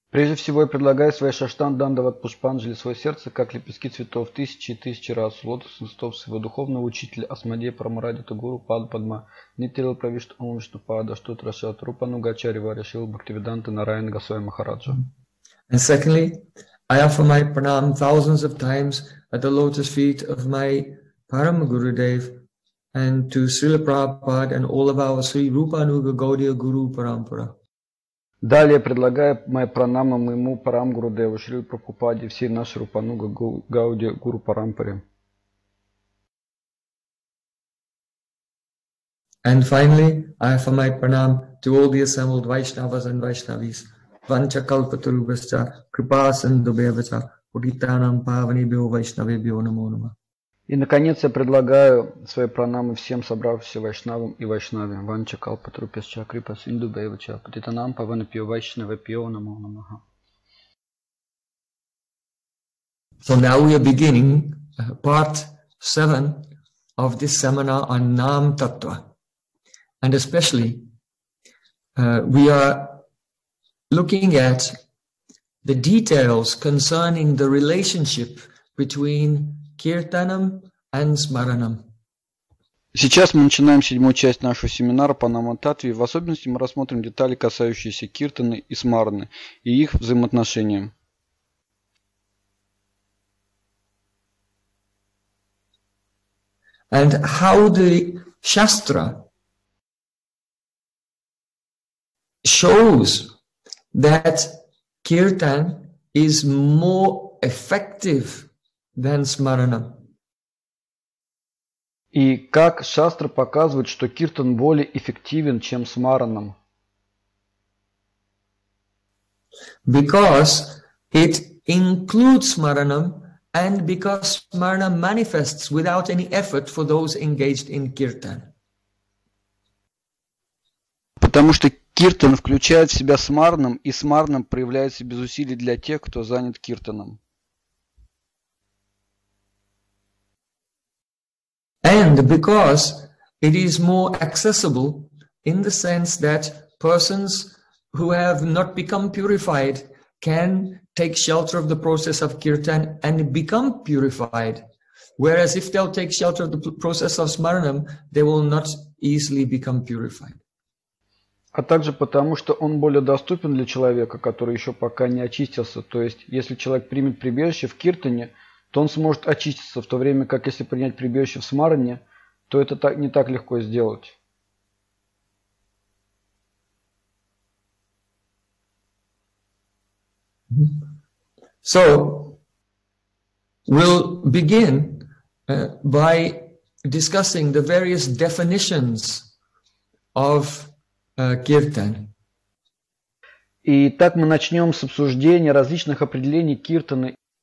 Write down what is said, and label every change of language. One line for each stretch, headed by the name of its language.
Russian: Прежде всего, я предлагаю свои шаштан дандават пушпанджали, свое сердце, как лепестки цветов, тысячи и тысячи раз, лотосных стоп своего духовного учителя, Асмадея Парамарадита Гуру Пада Падма, Нитрила Правишта Омвишна Пада, Штут Рашат, Рупа Нугачари Варяшил Бхактивиданта Нараяна Гасвами Махараджа.
English: And secondly, I offer my pranam thousands of times at the lotus feet of my Param Gurudev and to Srila Prabhupada and all of our Sri Rupa Nuga Gaudiya Guru Parampara.
Russian: Далее предлагаю мои пранамы моему Парам Гурудеву, Шри Прабхупаде, всей нашей Рупануга Гауди Гуру Парампаре.
English: And finally, I offer my pranam to all the assembled Vaishnavas and Vaishnavis,
Sanskrit: Vancha Kalpaturubhascha, Kripasandubhyavacha, Puritanam Pavanibhyo Vaishnavibhyo Namo Nama.
Russian: И, наконец, я предлагаю свои пранамы всем собравшимся вайшнавам и вайшнаве.
Sanskrit: Ванча калпа трупес ча крипа синду бэйва ча патитанам павана пьё вайшнаве пьё намо намага.
English: So now we are beginning part 7 of this seminar on Nama-Tattva. And especially, we are looking at the details concerning the relationship between Kirtanam and Smaranam.
Russian: Сейчас мы начинаем седьмую часть нашего семинара по Нама-Таттве. В особенности мы рассмотрим детали, касающиеся Киртаны и Смараны и их взаимоотношениям.
English: And how the Shastra shows that Kirtan is more effective than Smaranam.
Russian: И как Шастра показывает, что Киртан более эффективен, чем Смаранам?
English: Because it includes Smaranam and because Smaranam manifests without any effort for those engaged in Kirtan.
Russian: Потому что Киртан включает в себя Смаранам, и Смаранам проявляется без усилий для тех, кто занят Киртаном.
English: And because it is more accessible in the sense that persons who have not become purified can take shelter of the process of Kirtan and become purified. Whereas if they'll take shelter of the process of smaranam, they will not easily become purified.
Russian: А также потому, что он более доступен для человека, который еще пока не очистился. То есть, если человек примет прибежище в киртане, то он сможет очиститься, в то время как если принять прибежище в смаране, то это так, не так легко сделать.
English: So, we'll begin by discussing the various definitions of kirtan.
Russian: И так мы начнем с обсуждения различных определений киртаны.